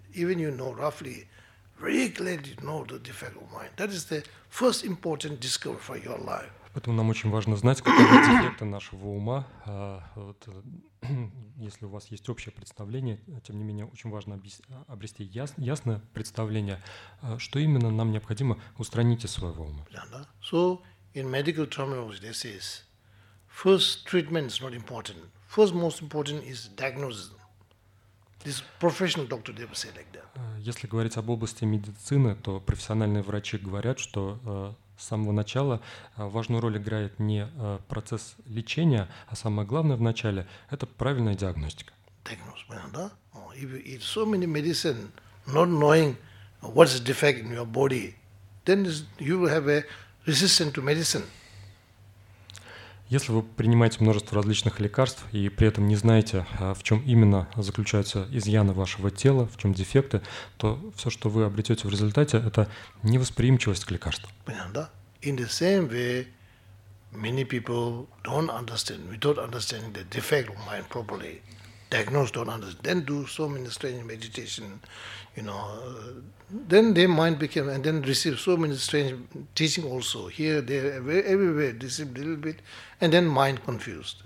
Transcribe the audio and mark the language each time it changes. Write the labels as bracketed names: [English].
[English] Even you know roughly, very clearly know the defect of mind. That is the first important discovery for your life. [Russian] Поэтому нам очень важно знать, каковы дефекты нашего ума. Вот, если у вас есть общее представление, тем не менее, очень важно обрести ясное представление, что именно нам необходимо устранить из своего ума. [English] So, in medical terminology, this is first treatment is not important. First most important is diagnosis. This professional doctor, they will say like that. [Russian] Если говорить об области медицины, то профессиональные врачи говорят, что с самого начала важную роль играет не процесс лечения, а самое главное в начале – это правильная диагностика. Diagnosis, понятно, да? [English] If you eat so many medicine, not knowing what's the defect in your body, then you will have a resistance to medicine. [Russian] Если вы принимаете множество различных лекарств и при этом не знаете, в чем именно заключаются изъяны вашего тела, в чем дефекты, то все, что вы обретете в результате, это невосприимчивость к лекарствам. Понятно, да? [English] In the same way, many people don't understand, without understanding the defect of mind properly, diagnosed, don't understand, then do so many strange meditation, you know, then their mind became, and then receive so many strange teaching also, here, there, everywhere, deceived a little bit, and then mind confused.